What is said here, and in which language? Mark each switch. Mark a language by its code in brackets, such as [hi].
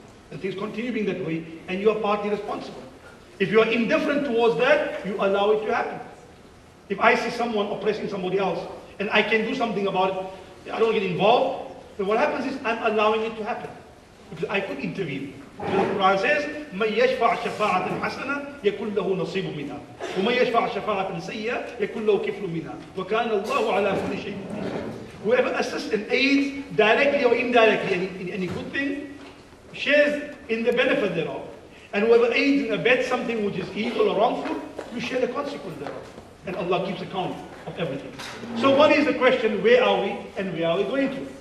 [en] And things continue being that way, and you are partly responsible. If you are indifferent towards that, you allow it to happen. If I see someone oppressing somebody else, and I can do something about it, I don't get involved, then what happens is I'm allowing it to happen. Because I could intervene. [ar] The Quran says, مَنْ يَشْفَعْ شَفَاعَةً حَسَنًا يَكُنْ لَهُ نَصِيبٌ مِنْهَا وَمَنْ يَشْفَعْ شَفَاعَةً سَيِّئَةً يَكُنْ لَهُ كِفْلٌ مِنْهَا وَكَانَ اللَّهُ عَلَى كُلِّ شَيْءٍ قَدِيرًا. [en] Whoever assists and aids directly or indirectly in any good thing, shares in the benefit thereof. And whoever aids and abets something which is evil or wrongful, you share the consequence thereof. And Allah keeps account of everything. So what is the question, where are we and where are we going to?